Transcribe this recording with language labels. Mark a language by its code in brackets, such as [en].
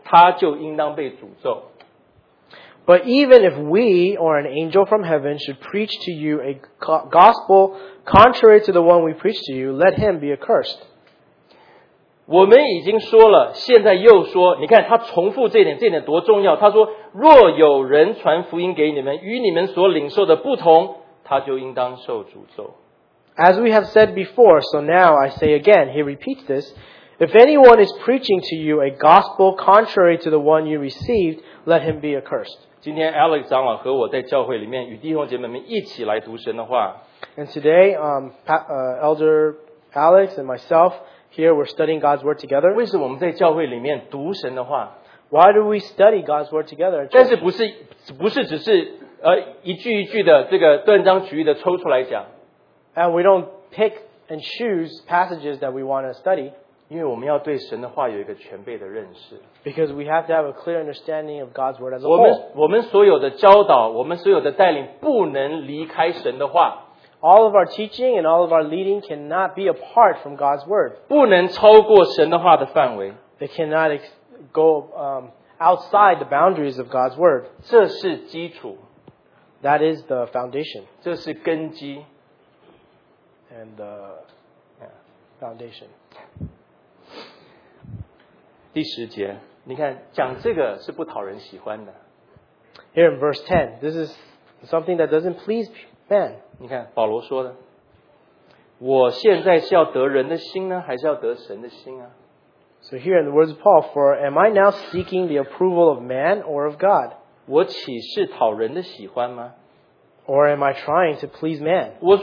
[zh] 但是无论是我们是天上来的使者，若传福音给你们，与我们所传给你们的不同，他就应当被诅咒。But [en] even if we or an angel from heaven should preach to you a gospel contrary to the one we preach to you, let him be accursed. [zh] 我们已经说了，现在又说，你看他重复这一点，这一点多重要。他说，若有人传福音给你们，与你们所领受的不同。 [en] As we have said before, so now I say again, he repeats this, if anyone is preaching to you a gospel contrary to the one you received, let him be accursed. And today, Elder Alex and myself, here we're studying God's Word together. Why do we study God's Word together? [zh] 但是不是只是 一句一句的这个断章取义的抽出来讲。 [en] And we don't pick and choose passages that we want to study. [zh] 因为我们要对神的话有一个全备的认识。 [en] Because we have to have a clear understanding of God's word as a whole. [zh] 我们所有的教导，我们所有的带领，不能离开神的话。 [en] All of our teaching and all of our leading cannot be apart from God's word. [zh] 不能超过神的话的范围。 [en] They cannot go outside the boundaries of God's word. [zh] 这是基础。 [en] That is the foundation. [zh] 这是根基, [en] and the foundation. [zh] 第十节, 你看讲这个是不讨人喜欢的。 [en] Here in verse 10, this is something that doesn't please man. [zh] 你看保罗说的, 我现在是要得人的心呢，还是要得神的心啊？ [en] So here in the words of Paul, for am I now seeking the approval of man or of God? [zh] 我岂是讨人的喜欢吗？ [en] Or am I trying to please man?